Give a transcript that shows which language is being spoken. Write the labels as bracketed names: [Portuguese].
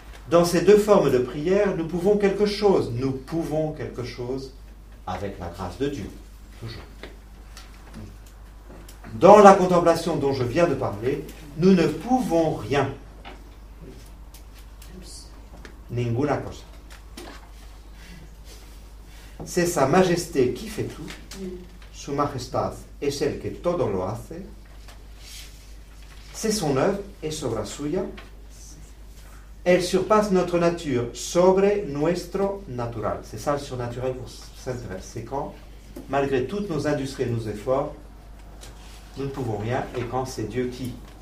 [French] Dans ces deux formes de prière, nous pouvons quelque chose. Nous pouvons quelque chose avec la grâce de Dieu. Toujours. Dans la contemplation dont je viens de parler, nous ne pouvons rien. [Spanish] Ninguna cosa. [French] C'est Sa Majesté qui fait tout. [Spanish] Su Majestad es el que todo lo hace. [French] C'est son œuvre et [Spanish] sobra suya. [French] Elle surpasse notre nature, [Spanish] sobre nuestro natural. [French] C'est ça le surnaturel pour s'intéresser. C'est quand, malgré toutes nos industries et nos efforts, nous ne pouvons rien, et quand c'est Dieu qui.